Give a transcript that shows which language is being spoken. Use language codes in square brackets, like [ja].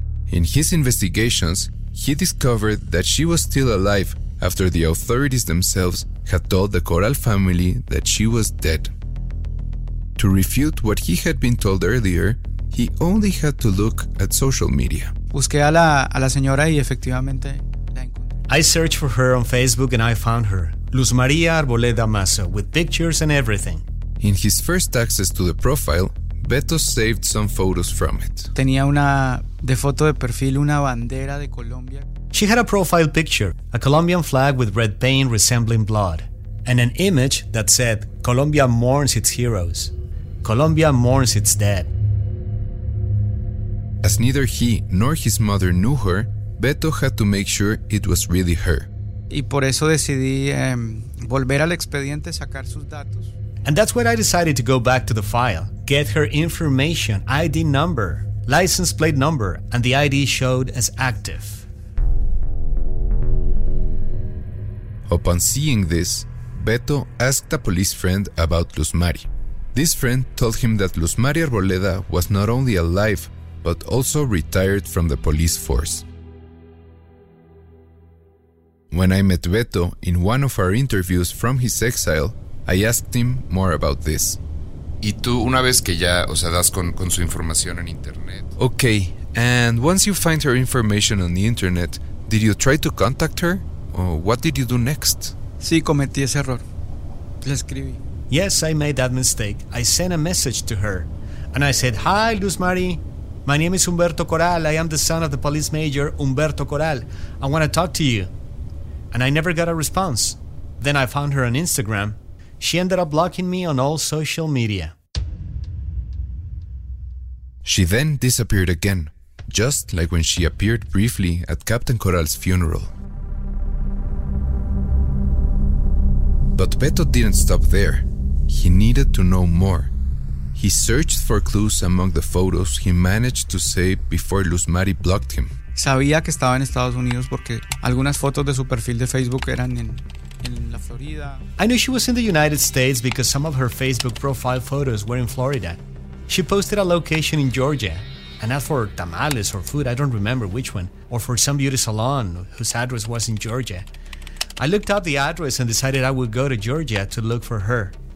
[en] In his investigations, he discovered that she was still alive after the authorities themselves had told the Corral family that she was dead. To refute what he had been told earlier, he only had to look at social media. [es] Busqué a la señora y efectivamente la encontré. [en] I searched for her on Facebook and I found her, Luz María Arboleda Mazo, with pictures and everything. In his first access to the profile, Beto saved some photos from it. [es] Tenía una de foto de perfil, una bandera de Colombia. [en] She had a profile picture, a Colombian flag with red paint resembling blood, and an image that said, "Colombia mourns its heroes. Colombia mourns its dead." As neither he nor his mother knew her, Beto had to make sure it was really her. [es] Y por eso decidí volver al expediente, sacar sus datos. [en] And that's when I decided to go back to the file, get her information, ID number, license plate number, and the ID showed as active. Upon seeing this, Beto asked a police friend about Luz Mari. This friend told him that Luz Mari Arboleda was not only alive, but also retired from the police force. When I met Beto in one of our interviews from his exile, I asked him more about this. [es] ¿Y tú una vez que ya, o sea, das con su información en internet? [en] Okay, and once you find her information on the internet, Did you try to contact her? Or what did you do next? [es] Sí, cometí ese error. Le escribí. [en] Yes, I made that mistake. I sent a message to her. And I said, "Hi, Luz Mari. My name is Humberto Coral. I am the son of the police major, Humberto Coral. I want to talk to you." And I never got a response. Then I found her on Instagram. She ended up blocking me on all social media. She then disappeared again, just like when she appeared briefly at Captain Coral's funeral. But Beto didn't stop there. He needed to know more. He searched for clues among the photos he managed to save before Luz Mari blocked him. [es] Sabía que estaba en Estados Unidos porque algunas fotos de su perfil de Facebook eran en la Florida. [en] I knew she was in the United States because some of her Facebook profile photos were in Florida. She posted a location in Georgia, and not for tamales or food, I don't remember which one, or for some beauty salon whose address was in Georgia. I looked up the address and decided I would go to Georgia to look for her.